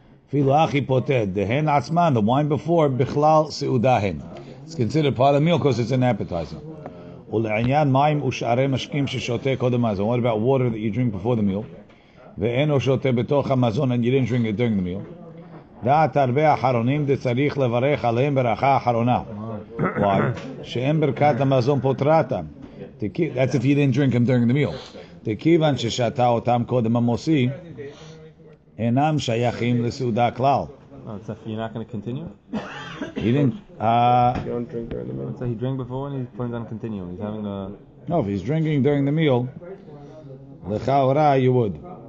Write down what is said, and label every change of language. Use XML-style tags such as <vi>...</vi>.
<en>The wine before, it's considered part of the meal because it's an appetizer. What about water that you drink before the meal? And you didn't drink it during the meal.</en> <he>דעת הרבה אחרונים זה צריך לברך עליהם ברכה אחרונה.</he> <en>Why?</en> <he>שאין ברכת המזון פותרתה.</he> <en>That's if you didn't drink them during the meal.</en> <he>תכיוון ששתה אותם קודם המוסי, אינם שייכים לסעודה כלל.</he> <en>You're not going to continue? He didn't... You don't drink during the meal. So he drank before and he's planning on continuing. He's having a... No, if he's drinking during the meal, לכאורה, you would.</en>